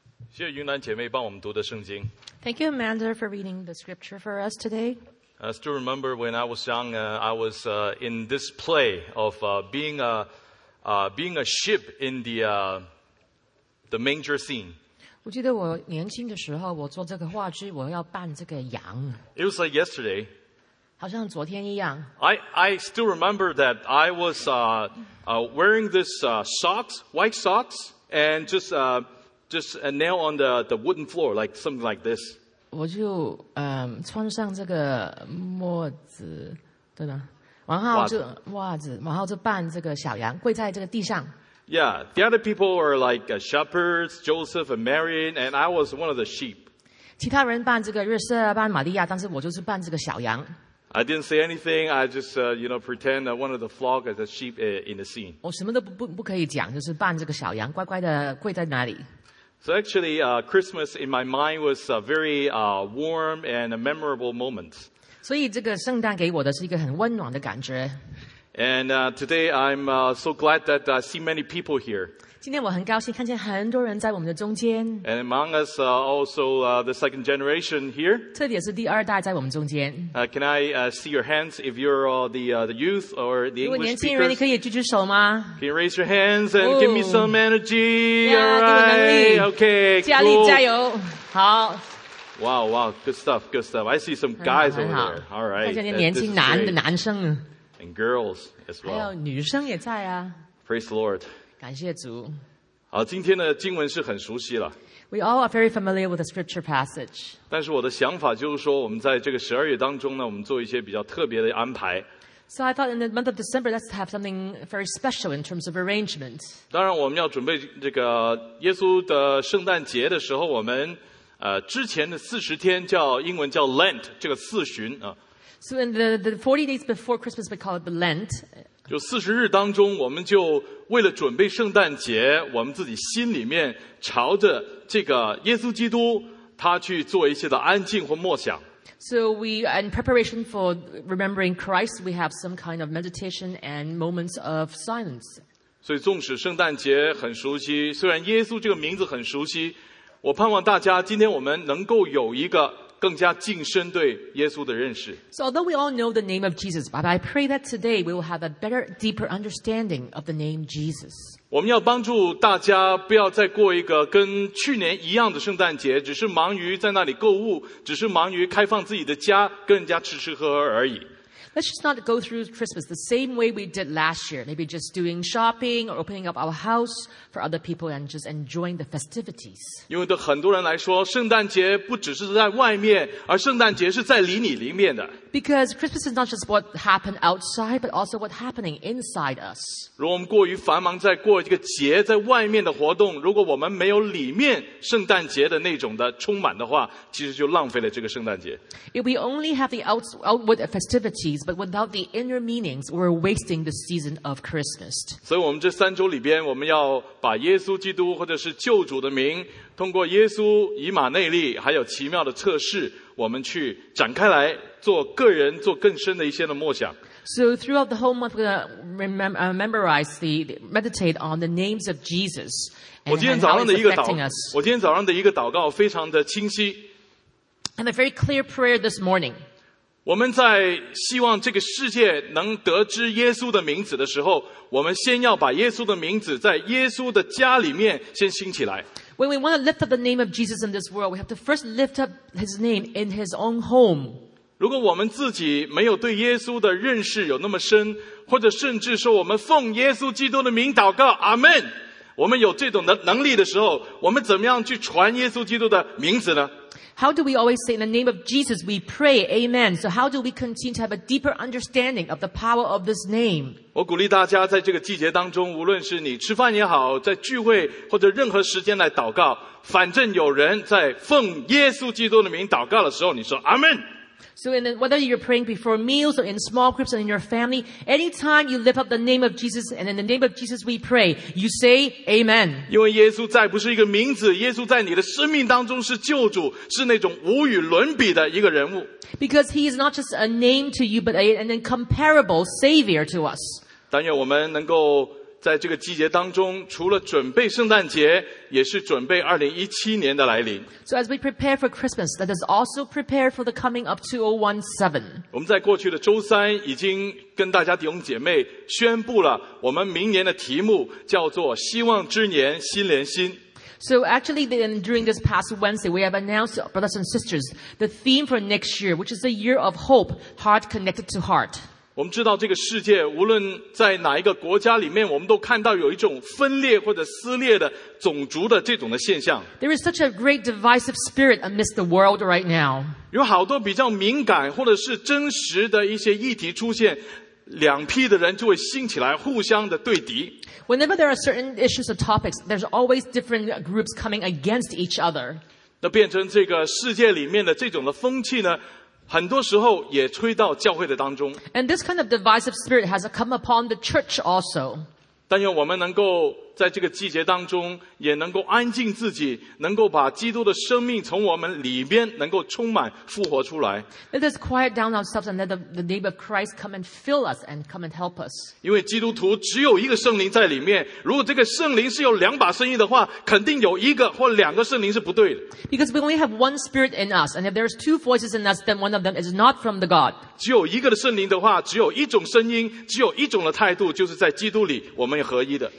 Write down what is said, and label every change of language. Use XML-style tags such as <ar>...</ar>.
<zh>谢云南姐妹帮我们读的圣经。</zh> <en>Thank you, Amanda, for reading the scripture for us today. I still remember when I was young, I was in this play of being a sheep in the manger scene.</en> <zh>我记得我年轻的时候，我做这个话剧，我要扮这个羊。</zh> <en>It was like yesterday.</en> <zh>好像昨天一样。</zh> <en>I still remember that I was wearing this socks, white socks, and just a nail on the wooden floor, like something like this.</en> <zh>我就穿上这个墨子，对吧？然后就袜子，然后就扮这个小羊，跪在这个地上。</zh> <en>Yeah, the other people were like shepherds, Joseph and Mary, and I was one of the sheep.</en> <zh>其他人扮这个约瑟，扮玛利亚，但是我就是扮这个小羊。</zh> <en>I didn't say anything. I just, pretend one of the flock as a sheep in the scene.</en> <zh>我什么都不可以讲，就是扮这个小羊，乖乖的跪在那里。</zh> <en>So actually, Christmas in my mind was a very warm and a memorable moment.</en> <zh>所以这个圣诞给我的是一个很温暖的感觉。</zh> <en>And today I'm so glad that I see many people here.</en> <zh>今天我很高兴看见很多人在我们的中间。</zh> <en>And among us also the second generation here.</en> <zh>特别是第二代在我们中间。</zh> <en>Can I see your hands if you're the youth or the English speakers?</en> <zh>如果年轻人你可以举举手吗？</zh> <en>Can you raise your hands and give me some energy? Yeah, all right. Okay, cool.</en> <zh>加力加油，好。</zh> <en>Wow, wow, good stuff, good stuff. I see some guys over there. All right.</en> <zh>看见年轻男的男生。</zh> <en>And girls as well.</en> <zh>还有女生也在啊。</zh> <en>Praise the Lord.</en> <zh>感谢主。好，今天的经文是很熟悉了。</zh> <en>We all are very familiar with the scripture passage.</en> <zh>但是我的想法就是说，我们在这个十二月当中呢，我们做一些比较特别的安排。</zh> <en>So I thought in the month of December, let's have something very special in terms of arrangement.</en> <zh>当然，我们要准备这个耶稣的圣诞节的时候，我们之前的四十天叫英文叫 Lent， 这个四旬啊。</zh> <en>So in the 40 days before Christmas, we call it the Lent.</en> <zh>就四十日当中，我们就为了准备圣诞节，我们自己心里面朝着这个耶稣基督，他去做一些的安静或默想。</zh> <en>So we, in preparation for remembering Christ, we have some kind of meditation and moments of silence.</en> <zh>所以，纵使圣诞节很熟悉，虽然耶稣这个名字很熟悉，我盼望大家今天我们能够有一个。更加近身对耶稣的认识。</zh> <en>So although we all know the name of Jesus, but I pray that today we will have a better, deeper understanding of the name Jesus.</en> <zh>我们要帮助大家不要再过一个跟去年一样的圣诞节，只是忙于在那里购物，只是忙于开放自己的家，跟人家吃吃喝喝而已。</zh> <en>Let's just not go through Christmas the same way we did last year. Maybe just doing shopping or opening up our house for other people and just enjoying the festivities.</en> <zh>因为对很多人来说，圣诞节不只是在外面，而圣诞节是在离你里面的。</zh> <en>Because Christmas is not just what happened outside, but also what's happening inside us.</en> <zh>如果我们过于繁忙在过一个节在外面的活动，如果我们没有里面圣诞节的那种的充满的话，其实就浪费了这个圣诞节。</zh> <en>If we only have the outward festivities, but without the inner meanings, we're wasting the season of Christmas.</en> <zh>所以我们这三周里边，我们要把耶稣基督或者是救主的名，通过耶稣、以马内利，还有奇妙的测试，我们去展开来做个人做更深的一些的默想。</zh> <en>So throughout the whole month, we're going to memorize the meditate on the names of Jesus.</en> <zh>我今天早上的一个祷告非常的清晰。</zh> <en>And a very clear prayer this morning.</en> <zh>我们在希望这个世界能得知耶稣的名字的时候，我们先要把耶稣的名字在耶稣的家里面先兴起来。</zh> <en>When we want to lift up the name of Jesus in this world, we have to first lift up his name in his own home.</en> <zh>如果我们自己没有对耶稣的认识有那么深，或者甚至说我们奉耶稣基督的名祷告，阿门，我们有这种的能力的时候，我们怎么样去传耶稣基督的名字呢？</zh> <en>How do we always say in the name of Jesus we pray, amen? So how do we continue to have a deeper understanding of the power of this name?</en> <zh>我鼓励大家在这个季节当中，无论是你吃饭也好，在聚会或者任何时间来祷告，反正有人在奉耶稣基督的名祷告的时候，你说阿门。</zh> <en>So in the, whether you're praying before meals or in small groups or in your family, anytime you lift up the name of Jesus and in the name of Jesus we pray, you say Amen.</en> <zh>因为耶稣再不是一个名字，耶稣在你的生命当中是救主，是那种无与伦比的一个人物。</zh> <en>Because he is not just a name to you, but an incomparable Savior to us.</en> <zh>但愿我们能够在这个季节当中，除了准备圣诞节，也是准备2017年的来临。</zh> <en>So as we prepare for Christmas, let us also prepare for the coming of 2017.</en> <zh>我们在过去的周三已经跟大家弟兄姐妹宣布了我们明年的题目叫做“希望之年，新连心”。</zh> <en>So actually, then during this past Wednesday, we have announced, brothers and sisters, the theme for next year, which is the year of hope, heart connected to heart.</en> <zh>我们知道这个世界，无论在哪一个国家里面，我们都看到有一种分裂或者撕裂的种族的这种的现象。</zh> <en>There is such a great divisive spirit amidst the world right now.</en> <zh>有好多比较敏感或者是真实的一些议题出现，两批的人就会兴起来互相的对敌。</zh> <en>Whenever there are certain issues or topics, there's always different groups coming against each other.</en> <zh>那变成这个世界里面的这种的风气呢，很多时候也吹到教会的当中。</zh> <en>And this kind of divisive spirit has come upon the church also.</en> <zh>但愿我们能够在这个季节当中也能够安静自己，能够把基督的生命从我们里面能够充满复活出来。</zh> <en>Let us quiet down ourselves and let the name of Christ come and fill us and come and help us.</en> <zh>因为基督徒只有一个圣灵在里面，如果这个圣灵是有两把声音的话，肯定有一个或两个圣灵是不对的。</zh> <en>Because we only have one spirit in us, and if there's two voices in us, then one of them is not from the God.</en> <zh>只有一个的圣灵的话，只有一种声音，只有一种的态度，就是在基督里我们合一的。</zh>